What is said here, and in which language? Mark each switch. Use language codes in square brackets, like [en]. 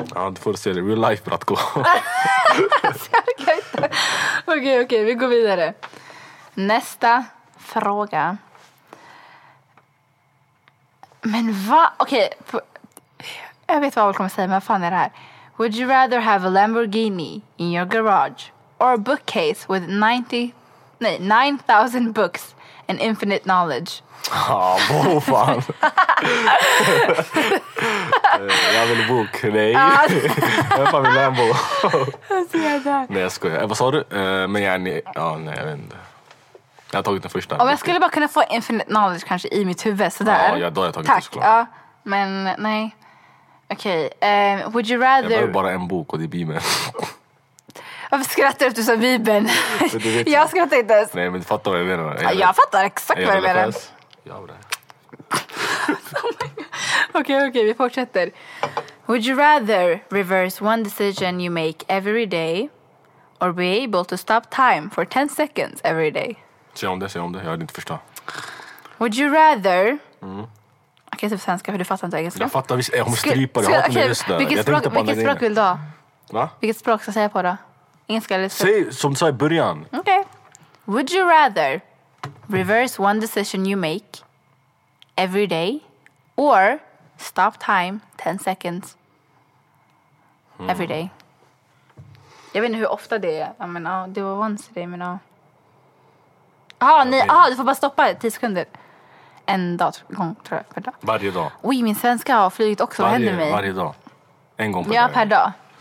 [sv] Ja, du får se det, real life, bratko. Okej, vi går vidare. Nästa fråga. Men va? Okej, jag vet vad jag kommer säga, men vad fan är det här? [en] Would you rather have a Lamborghini in your garage or a bookcase with 9,000 books and infinite knowledge? [sv] Vad fan. Jag vill bok, nej. Jag fan vill Lambo. Nej, jag skojar. Vad sa du? Men jag är ja, nej, jag vet inte. Jag har tagit den första. Om jag skulle bara kunna få infinite knowledge kanske i mitt huvud, sådär. Ja, då har jag tagit tack. Ja, men nej. Okej, okay. Would you rather... Jag behöver bara en bok och det är Bibeln. Varför skrattar du efter så Bibeln? Jag skrattar inte ens. Nej, men du fattar vad jag menar. Jag fattar exakt vad jag menar. Jag har det. Okej, vi fortsätter. [en] Would you rather reverse one decision you make every day or be able to stop time for 10 seconds every day? [sv] Säg om det, jag hade inte förstått. [en] Would you rather... [sv] Okej, typ svenska, för du fattar inte engelska. Jag fattar, jag kommer strypa det. Vilket språk vill du ha? Va? Vilket språk ska jag säga på då? Engelska eller svenska? Säg som du sa i början. Okej. [en] Would you rather reverse one decision you make every day or stop time 10 seconds every day? [sv] Jag vet inte hur ofta det är. Det var once a day, men... du får bara stoppa 10 sekunder. En dag, gång, tror jag, per dag. Varje dag. Oj, min svenska har flygit också. Vad händer med mig? Varje dag. En gång per dag. Ja, per dag.